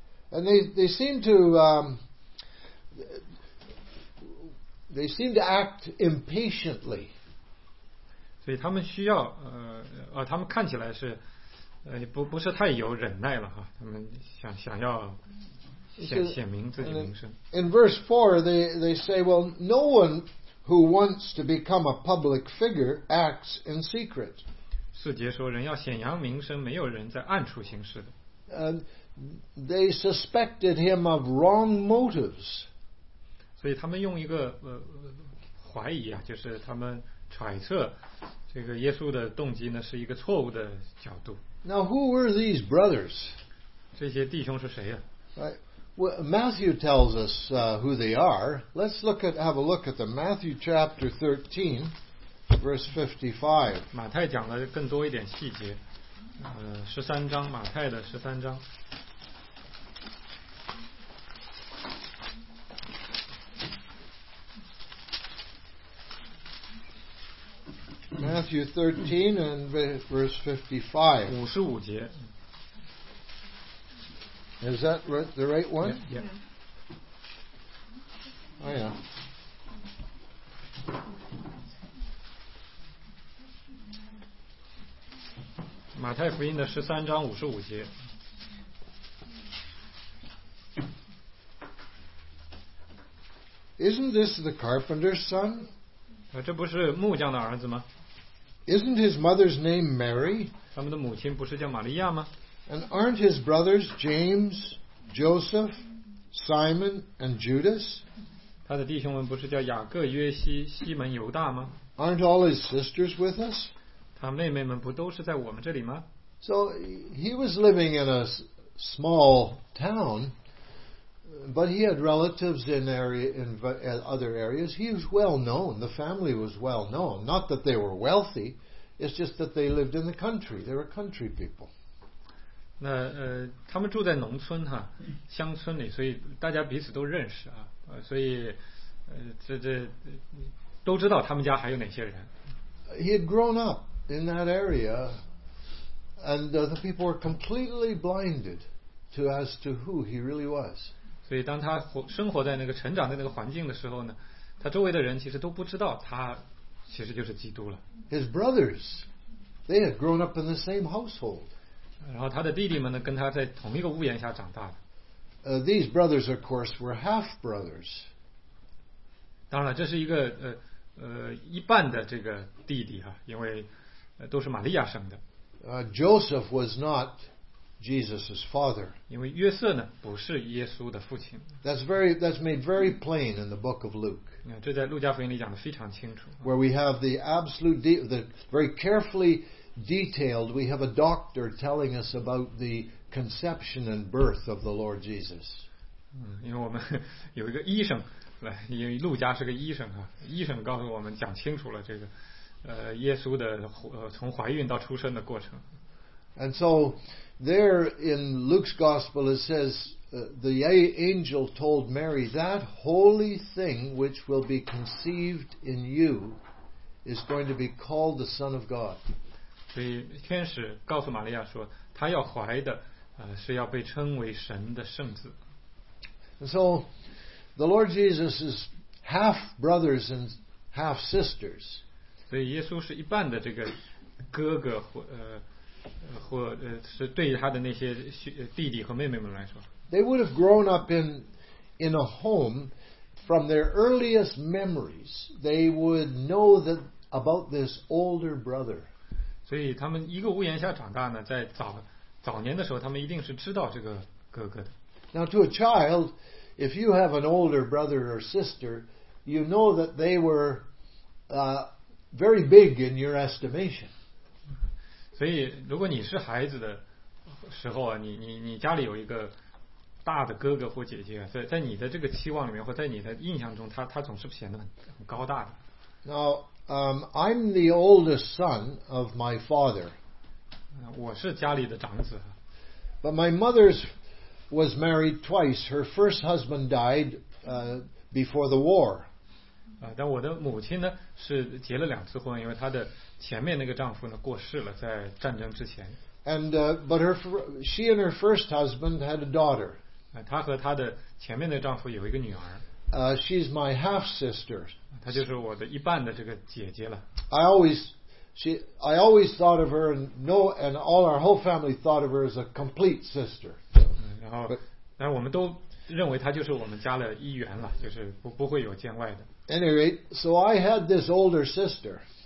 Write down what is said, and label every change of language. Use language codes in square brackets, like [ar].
[en] And they seem to they seem to act impatiently. [zh] 所以他们需要他们看起来是不是太有忍耐了哈，他们想要显明自己名声。 [en] In verse 4 they say, well, no one who wants to become a public figure acts in secret. [zh] 四节说人要显扬名声，没有人在暗处行事的。 [en] They suspected him of wrong motives. [zh] 所以他们用一个怀疑啊，就是他们揣测这个耶稣的动机呢是一个错误的角度。 [en] Now who were these brothers? [zh] 这些弟兄是谁呀？ [en] Well, Matthew tells us who they are. Let's have a look at the Matthew chapter 13, verse 55. [zh] 马太讲了更多一点细节。十三章，马太的十三章。 [en] Matthew 13 and verse 55. [zh] 五十五节。 [en] Is that the right one? Yeah. Oh, yeah. Matthew 13:55. Isn't this the carpenter's son? [zh] 这不是木匠的儿子吗？ [en] Isn't his mother's name Mary? [zh] 他们的母亲不是叫玛利亚吗？ [en] And aren't his brothers James, Joseph, Simon, and Judas? [zh] 他的弟兄们不是叫雅各、约西、西门、犹大吗？ [en] Aren't all his sisters with us? [zh] 他妹妹们不都是在我们这里吗？ [en] So he was living in a small town, but he had relatives in other areas. He was well known. The family was well known. Not that they were wealthy, it's just that they lived in the country. They were country people. [zh] 那他们住在农村哈，乡村里，所以大家彼此都认识啊，所以这都知道他们家还有哪些人。 [en] He had grown up in that area. And the people were completely blinded to as to who he really was. [zh] 所以当他生活在那个成长的那个环境的时候呢，他周围的人其实都不知道他其实就是基督了。 [en] His brothers, they had grown up in the same household. [zh] 然后他的弟弟们呢，跟他在同一个屋檐下长大的。 [en] These brothers, of course, were half brothers. [zh] 当然，这是一个一半的这个弟弟哈，因为都是玛利亚生的。 [en] Joseph was not Jesus' father. [zh] 因为约瑟呢不是耶稣的父亲。 [en] That's made very plain in the book of Luke. [zh] 这在路加福音里讲得非常清楚。 [en] Where we have the absolute, the very carefully detailed, we have a doctor telling us about the conception and birth of the Lord Jesus. [zh] 因为我们有一个医生，因为路加是个医生啊，医生告诉我们讲清楚了这个。耶稣的从怀孕到出生的过程。 [en] And so there in Luke's gospel it says the angel told Mary that holy thing which will be conceived in you is going to be called the Son of God. [zh] 所以天使告诉玛利亚说她要怀的是要被称为神的圣子。 [en] And so the Lord Jesus is half brothers and half sisters. [zh] 所以耶稣是一半的这个哥哥或是对他的那些弟弟和妹妹们来说 [en] They would have grown up in a home from their earliest memories they would know that about this older brother [zh] 所以他们一个屋檐下长大呢在 早年的时候他们一定是知道这个哥哥的 [en] Now to a child if you have an older brother or sister you know that they were very big in your estimation. [zh] 所以如果你是孩子的时候啊，你家里有一个大的哥哥或姐姐啊，在你的这个期望里面或在你的印象中，他总是显得很高大的。 [en] Now, I'm the oldest son of my father. [zh] 我是家里的长子。 [en] But my mother was married twice. Her first husband died before the war. [zh] 但我的母亲呢是结了两次婚因为她的前面那个丈夫呢过世了在战争之前 [en] and, but she and her first husband had a daughter [zh] 她和她的前面的丈夫有一个女儿 [en] she's my half-sister [zh] 她就是我的一半的这个姐姐了 [en] I always thought of her and all our whole family thought of her as a complete sister [zh] 然后但我们都认为她就是我们家的一员了就是 不会有见外的 [en] Anyway, so I had this older sister.